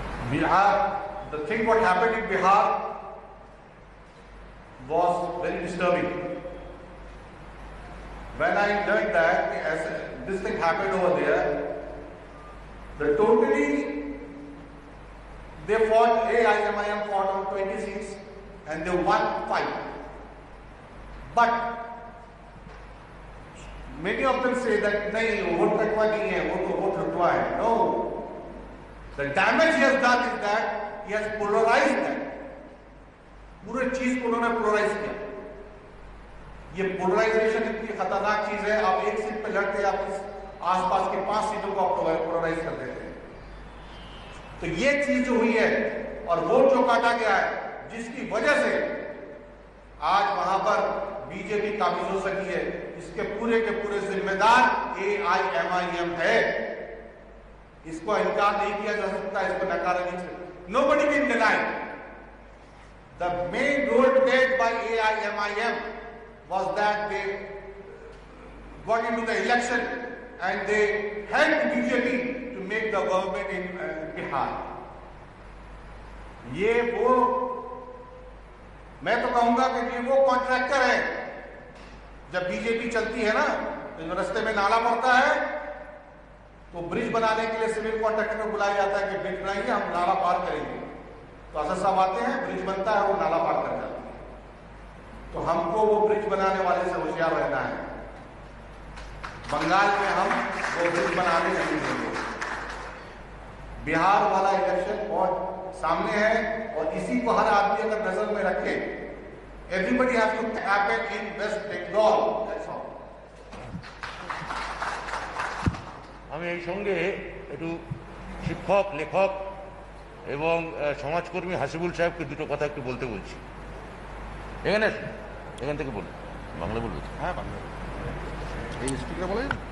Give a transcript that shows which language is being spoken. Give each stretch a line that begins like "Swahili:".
English: Bihar, the thing what happened in Bihar was very disturbing. When I learned that as this thing happened over there, the totally they fought, AIMIM fought on 26 and they won 5. But many of them say that
Hindi: नहीं vote कटवा नहीं है, वो तो vote रुकवा है।
English: No. The damage he has done is that he has polarized that.
Hindi: पूरे चीज को उन्होंने पोलराइज किया। ये पोलराइजेशन इतनी खतरनाक चीज है। आप एक सीट पर लड़ते हैं, आप आस पास के 5 सीटों को आप पोलराइज कर देते हैं। तो ये चीज जो हुई है और वोट जो काटा गया है, जिसकी वजह से आज वहां पर बीजेपी काबिज हो सकी है, इसके पूरे के पूरे जिम्मेदार AIMIM है। इसको इनकार नहीं किया जा सकता, इसको नकारा नहीं जा सकता।
English: Nobody can deny the main role played by AIMIM was that they got into the election and they help BJP to make the government in Bihar.
Hindi: ये वो मैं तो कहूंगा कि ये वो कॉन्ट्रैक्टर है, जब बीजेपी चलती है ना तो रस्ते में नाला पड़ता है तो ब्रिज बनाने के लिए सिविल कॉन्ट्रैक्टर को बुलाया जाता है कि ब्रिज बनाइए हम नाला पार करेंगे, तो असद साहब आते हैं ब्रिज बनता है वो नाला पार कर जाते हैं, तो हमको वो ब्रिज बनाने वाले से होशियार रहना है। बंगाल में हम वो ब्रिज बनाने नहीं देंगे। बिहार वाला इलेक्शन बहुत सामने है और इसी को हर आदमी अगर नजर में रखे,
English: Everybody has to happen in West Bengal.
Bangla: আমি এই সঙ্গে একটু শিক্ষক লেখক এবং সমাজকর্মী হাসিবুল সাহেবকে দুটো কথা একটু বলতে বলছি। এখানে এখান থেকে বলুন, বাংলা বলবো? হ্যাঁ বাংলা। এই স্পিকার বলেন